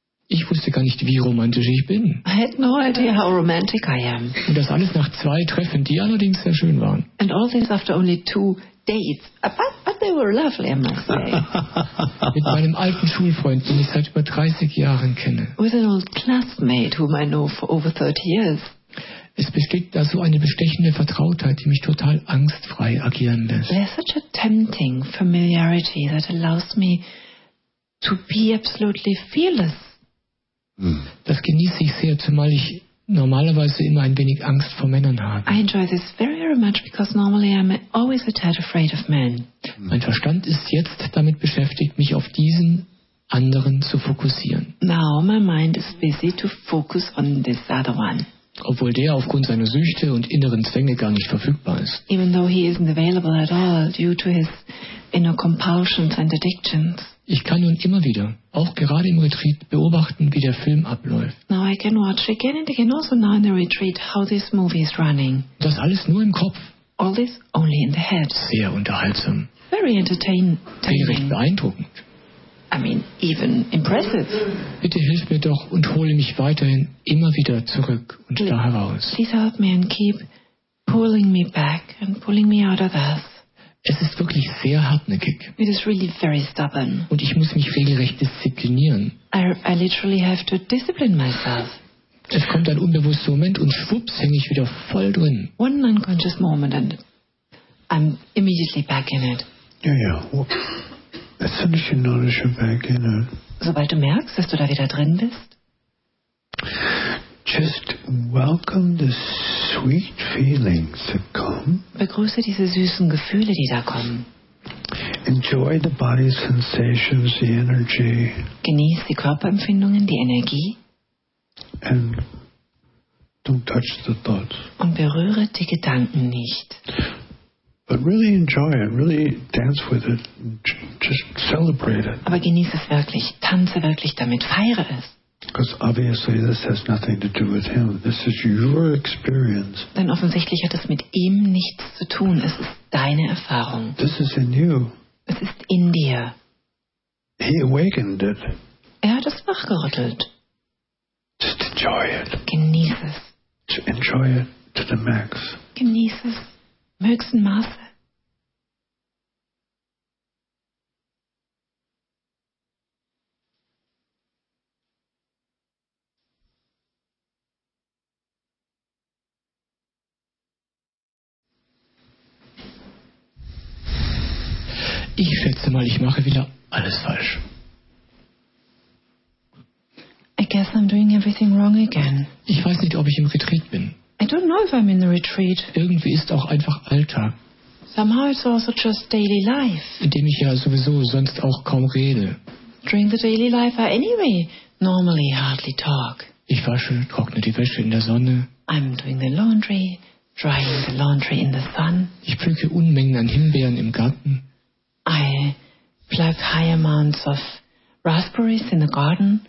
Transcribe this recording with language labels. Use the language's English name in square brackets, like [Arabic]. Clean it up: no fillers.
[German] Ich wusste gar nicht, wie romantisch ich bin. [English] I had no idea how romantic I am. [German] Und das alles nach zwei Treffen, die allerdings sehr schön waren. [English] And all this after only two dates. But they were lovely, I must say. [German] Mit meinem alten Schulfreund, den ich seit über 30 Jahren kenne. [English] With an old classmate whom I know for over 30 years. [German] Es besteht da so eine bestechende Vertrautheit, die mich total angstfrei agieren lässt. [English] There's such a tempting familiarity that allows me to be absolutely fearless. [German] Das genieße ich sehr, zumal ich normalerweise immer ein wenig Angst vor Männern habe. [English] I enjoy this very, very much because normally I'm always a tad afraid of men. [German] Mein Verstand ist jetzt damit beschäftigt, mich auf diesen anderen zu fokussieren. [English] Now my mind is busy to focus on this other one. [German] Obwohl der aufgrund seiner Süchte und inneren Zwänge gar nicht verfügbar ist. [English] Even though he isn't available at all due to his inner compulsions and addictions. [German] Ich kann nun immer wieder, auch gerade im Retreat, beobachten, wie der Film abläuft. [English] Now I can watch again and again, also now in the retreat, how this movie is running. [German] Das alles nur im Kopf. [English] All this only in the head. [German] Sehr unterhaltsam. [English] Very entertaining. [German] Sehr beeindruckend. [English] I mean, even impressive. [German] Bitte hilf mir doch und hole mich weiterhin immer wieder zurück und da heraus. [English] Please help me and keep pulling me back and pulling me out of this. [German] Es ist wirklich sehr hartnäckig. [English] It is really very stubborn. [German] Und ich muss mich regelrecht disziplinieren. [English] I literally have to discipline myself. [German] Es kommt ein unbewusster Moment und schwupps hänge ich wieder voll drin. [English] One unconscious moment and I'm immediately back in it. Yeah, yeah. Well, as soon as you notice you're back in it. [German] Sobald du merkst, dass du da wieder drin bist. [English] Just welcome the sweet feelings that come. [German] Begrüße diese süßen Gefühle, die da kommen. [English] Enjoy the body sensations, the energy. [German] Genieß die Körperempfindungen, die Energie. [English] And don't touch the thoughts. [German] Und berühre die Gedanken nicht. [English] But really enjoy it, really dance with it, just celebrate it. [German] Aber genieße es wirklich, tanze wirklich damit, feiere es. [English] Because obviously this has nothing to do with him. This is your experience. [German] Denn offensichtlich hat es mit ihm nichts zu tun. Es ist deine Erfahrung. [English] This is in you. [German] Es ist in dir. [English] He awakened it. [German] Er hat es wachgerüttelt. [English] Just enjoy it. [German] Genieß es. [English] Enjoy it to the max. [German] Genieß es im höchsten Maße. Ich schätze mal, ich mache wieder alles falsch. [English] I guess I'm doing everything wrong again. [German] Ich weiß nicht, ob ich im Retreat bin. [English] I don't know if I'm in the retreat. [German] Irgendwie ist auch einfach Alltag. [English] Somehow it's also just daily life. [German] In dem ich ja sowieso sonst auch kaum rede. [English] During the daily life I anyway normally hardly talk. [German] Ich wasche, trockne die Wäsche in der Sonne. [English] I'm doing the laundry, drying the laundry in the sun. [German] Ich pflücke Unmengen an Himbeeren im Garten. [English] I pluck high amounts of raspberries in the garden.